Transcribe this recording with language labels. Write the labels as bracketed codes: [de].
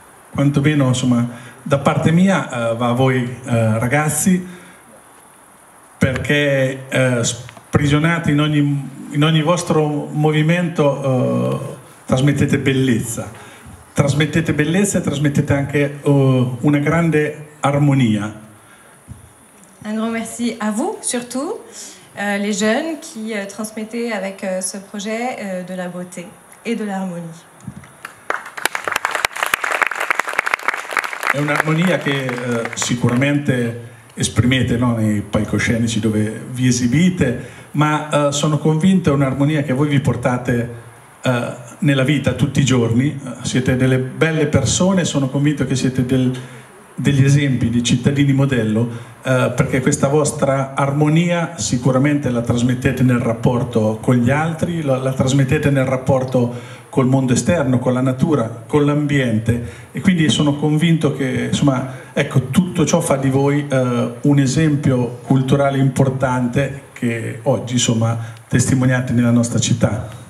[it] Quantomeno, insomma, da parte mia va a voi ragazzi, perché sprigionate in ogni vostro movimento trasmettete bellezza e trasmettete anche una grande armonia. [fr] Un grand merci à vous surtout, les jeunes qui trasmettez avec ce projet de la beauté et de l'harmonie. [it] È un'armonia che sicuramente esprimete, no, nei palcoscenici dove vi esibite, ma sono convinto è un'armonia che voi vi portate nella vita tutti i giorni. Siete delle belle persone, sono convinto che siete degli esempi di cittadini modello, perché questa vostra armonia sicuramente la trasmettete nel rapporto con gli altri, la trasmettete nel rapporto col mondo esterno, con la natura, con l'ambiente, e quindi sono convinto che, insomma, ecco, tutto ciò fa di voi un esempio culturale importante che oggi, insomma, testimoniate nella nostra città.